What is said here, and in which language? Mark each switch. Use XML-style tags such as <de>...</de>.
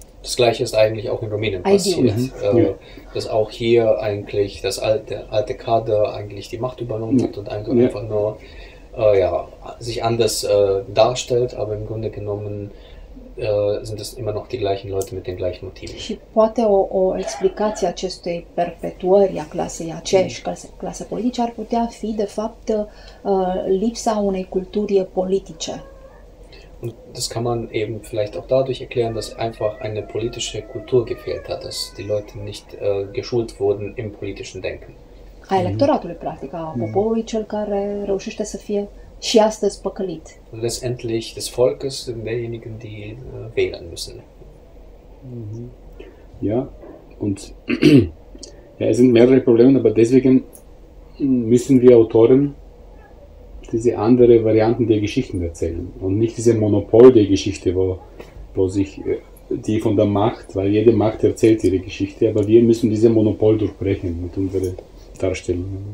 <de>Das gleiche ist eigentlich auch in Rumänien passiert. Dass auch hier eigentlich das alte Kader eigentlich die Macht übernommen hat und einfach nur ja, sich anders darstellt, aber im Grunde genommen sind es immer noch die gleichen Leute mit den gleichen Motiven.</de> <ro>Și poate o explicație acestei perpetuări a clasei, aceeași clasă politică, ar putea fi, de fapt, lipsa unei culturi politice.</ro> <de>Und das kann man eben vielleicht auch dadurch erklären, dass einfach eine politische Kultur gefehlt hat, dass die Leute nicht geschult wurden im politischen Denken.</de> <ro>A electoratului, practic, a poporului, cel care reușește să fie și astăzi păcălit.</ro> <de>Letztendlich des Volkes, derjenigen, die wählen müssen. Ja, und ja, es sind mehrere Probleme, aber deswegen müssen wir Autoren diese andere Varianten der Geschichten erzählen und nicht diese Monopol der Geschichte, wo sich die von der Macht, weil jede Macht erzählt ihre Geschichte, aber wir müssen diese Monopol durchbrechen mit unserer Darstellung.</de>